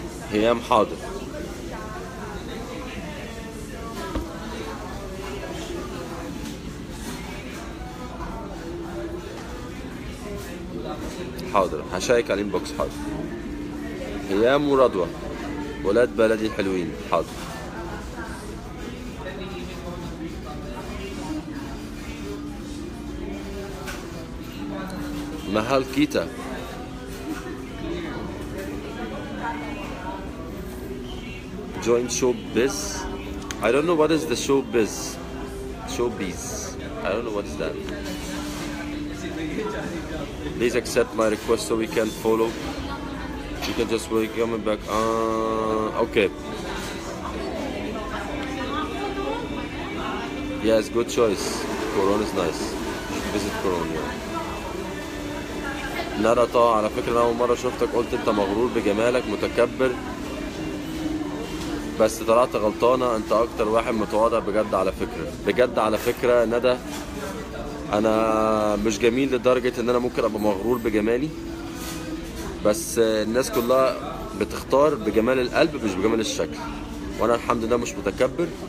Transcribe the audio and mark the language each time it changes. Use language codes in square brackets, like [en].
[en] Hey, I'm Hadr. [ar] Hadr. هشيك على inbox Hadr. هيام ورضوى ولاد بلدي الحلوين. حاضر. محل كيتا. [en] Join showbiz. I don't know what is the showbiz. Showbiz. I don't know what is that. Please accept my request so we can follow. You can just wait, coming back. Okay. Yes, good choice. Corona is nice. You should visit Corona. [ar] لا لا طبعا على فكرة أنا أول مرة شفتك قلت أنت مغرور بجمالك متكبر، بس طلعت غلطانة، أنت أكتر واحد متواضع بجد على فكرة. بجد على فكرة ندى، أنا مش جميل لدرجة إن أنا ممكن أبقى مغرور بجمالي، بس الناس كلها بتختار بجمال القلب مش بجمال الشكل، وأنا الحمد لله مش متكبر.